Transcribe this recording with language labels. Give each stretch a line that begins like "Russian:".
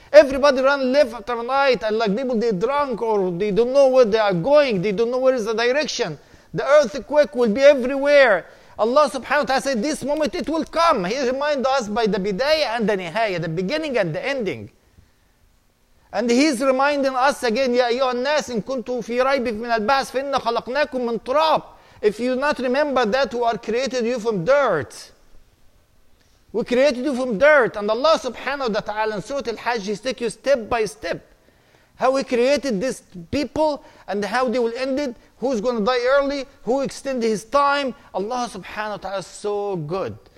English: Everybody run left after night, and like people, they're drunk, or they don't know where they are going, they don't know where is the direction. The earthquake will be everywhere. Allah subhanahu wa ta'ala said, this moment it will come. He reminds us by the bidayah and the nihayah, the beginning and the ending. And He's reminding us again,
Arabic: يَا أَيُّهَا النَّاسِ إِن كُنْتُوا فِي رَيْبٍ مِنَ الْبَعْثِ فَإِنَّا خَلَقْنَاكُمْ مِنْ تُرَابٍ.
English: If you not remember that, we are created you from dirt. We created you from dirt. And Allah subhanahu wa ta'ala in Surah Al-Hajj, He take you step by step. How He created these people and how they will end it. Who's going to die early? Who extended His time? Allah subhanahu wa ta'ala is so good.